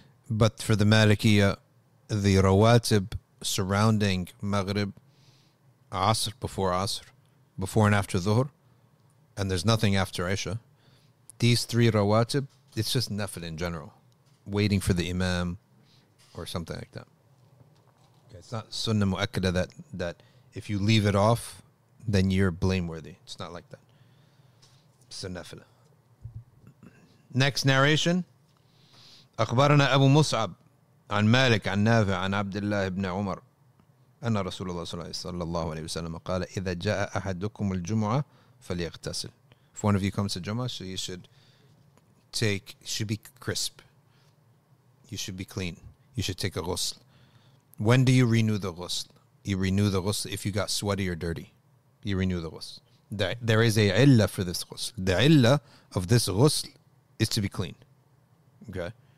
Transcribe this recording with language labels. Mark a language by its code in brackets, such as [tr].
[en] But for the Malikiya, the rawatib surrounding Maghrib, Asr, before Asr, before and after Dhuhr, and there's nothing after Isha, these three rawatib, it's just nafil in general, waiting for the imam or something like that. Okay, it's not sunnah mu'akkada that if you leave it off, then you're blameworthy. It's not like that. It's a nafil. Next narration, [ar] Akhbarana Abu Mus'ab عن مالك عن نافع عن عبد الله بن عمر أن رسول الله صلى الله عليه وسلم قال إذا جاء أحدكم الجمعة فليغتسل. [en] If one of you comes to Jummah, so you should take, should be crisp. You should be clean. You should take a ghusl. When do you renew the ghusl? You renew the ghusl if you got sweaty or dirty. You renew the ghusl. There is a illah for this ghusl. The illah of this ghusl is to be clean. Okay.